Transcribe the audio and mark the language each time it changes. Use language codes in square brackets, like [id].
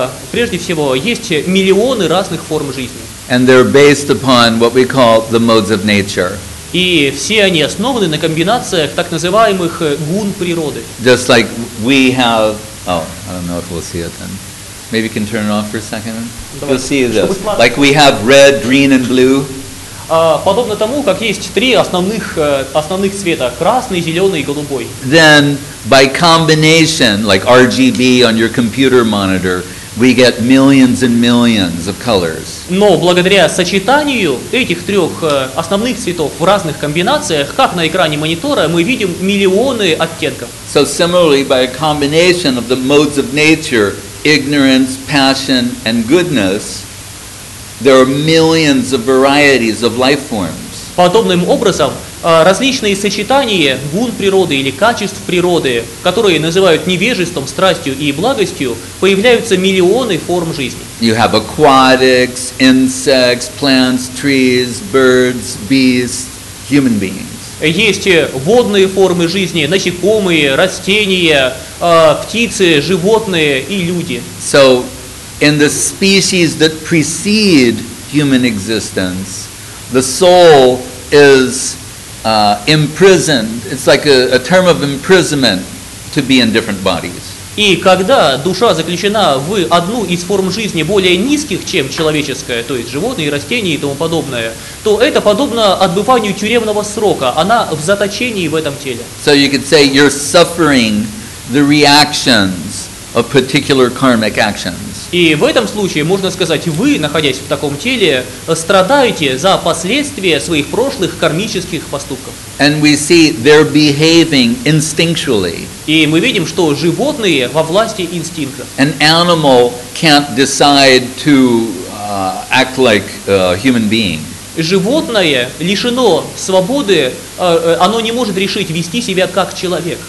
[ru] Прежде всего, есть миллионы разных форм жизни. [en] And they're based upon what we call the modes of nature. [ru] И все они основаны на комбинациях так называемых гун природы. [en] Just like we have, oh, I don't know if we'll see it then. Maybe you can turn it off for a second. [ru] Давай. [en] You'll see this. Like we have red, green and blue. [ru] Подобно тому, как есть три основных цвета: красный, зеленый и голубой. [en] Then by combination, like RGB on your computer monitor, we get millions and millions of colors. [ru] Но благодаря сочетанию этих трех основных цветов в разных комбинациях, как на экране монитора, мы видим миллионы оттенков. [en] So similarly, by a combination of the modes of nature, ignorance, passion, and goodness, there are millions of varieties of life forms. [ru] Подобным образом, различные сочетания гун природы или качеств природы, которые называют невежеством, страстью и благостью, появляются миллионы форм жизни. [en] You have aquatics, insects, plants, trees, birds, beasts, human beings. [ru] Есть водные формы жизни, насекомые, растения, птицы, животные и люди. [en] So, in the species that precede human existence, the soul is imprisoned. It's like a term of imprisonment to be in different bodies. [ru] И когда душа заключена в одну из форм жизни более низких, чем человеческая, то есть животные, растения и тому подобное, то это подобно отбыванию тюремного срока. Она в заточении в этом теле. [en] So you could say you're suffering the reactions of particular karmic actions. [ru] И в этом случае, можно сказать, вы, находясь в таком теле, страдаете за последствия своих прошлых кармических поступков. [en] And we see they're behaving instinctually. [ru] И мы видим, что животные во власти инстинкта. [en] An animal can't decide to act like a human being. [ru] Животное лишено свободы, оно не может решить вести себя как человек.